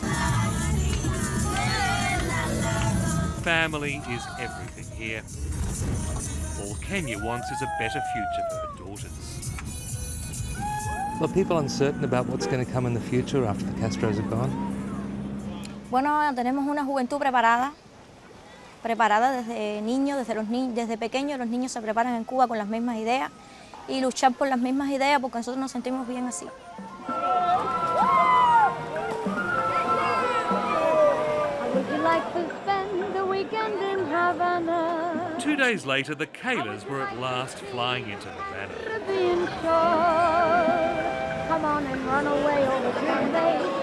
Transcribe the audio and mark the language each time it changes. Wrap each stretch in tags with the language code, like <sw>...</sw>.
<en>Family is everything here. All Kenya wants is a better future for her daughters. Are people uncertain about what's going to come in the future after the Castros are gone?</en> <es>Bueno, tenemos una juventud preparada. Preparada desde niño, desde pequeño, los niños se preparan en Cuba con las mismas ideas. Y luchar por las mismas ideas porque nosotros nos sentimos bien así.</es> <en>Would you like to spend the weekend in Havana? 2 days later, the Kaehlers were at last flying into Havana. Come on and run away over to the bay.</en>